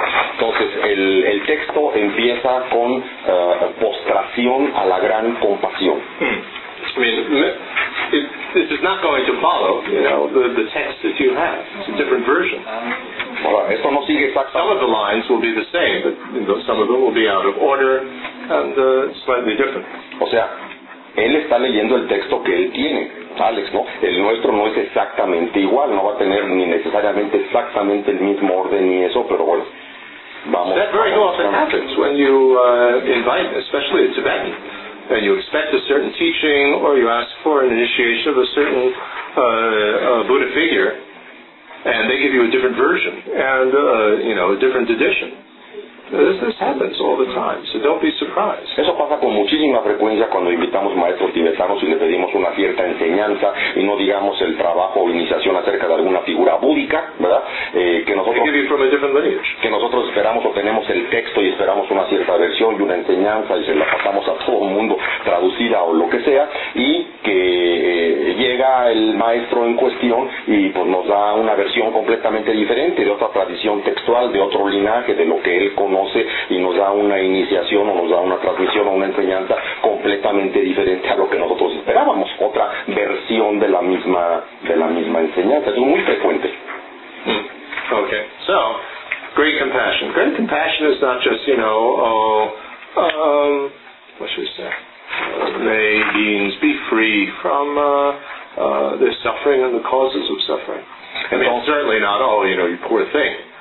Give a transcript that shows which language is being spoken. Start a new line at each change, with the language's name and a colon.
Spanish: Entonces, el texto empieza con postración a la gran compasión.
English: I mean, this is not going to follow, the text that you have. It's a different version.
Spanish: Ahora, esto no sigue exactamente.
English: Some of the lines will be the same, but some of them will be out of order and slightly different.
Spanish: O sea, él está leyendo el texto que él tiene, Alex, ¿no? El nuestro no es exactamente igual, no va a tener ni necesariamente exactamente el mismo orden ni eso, pero bueno, vamos.
English: That very often happens when you invite, especially a Tibetan, and you expect a certain teaching or you ask for an initiation of a certain Buddha figure, and they give you a different version and a different edition. This happens all the time, so don't be surprised.
Spanish: Eso pasa con muchísima frecuencia cuando invitamos maestros tibetanos y le pedimos una cierta enseñanza y no digamos el trabajo o iniciación acerca de alguna figura búdica, ¿verdad? Que nosotros esperamos o tenemos el texto y esperamos una cierta versión y una enseñanza y se la pasamos a todo el mundo traducida o lo que sea, y que llega el maestro en cuestión y pues nos da una versión completamente diferente de otra tradición textual, de otro linaje, de lo que él conoce, y nos da una iniciación o nos da una transmisión o una enseñanza completamente diferente a lo que nosotros esperábamos, otra versión de la misma enseñanza. Es muy frecuente.
English: Okay, so great compassion. Great compassion is not just, what should I say? May beings be free from their suffering and the causes of suffering. I mean, certainly not all, you poor thing.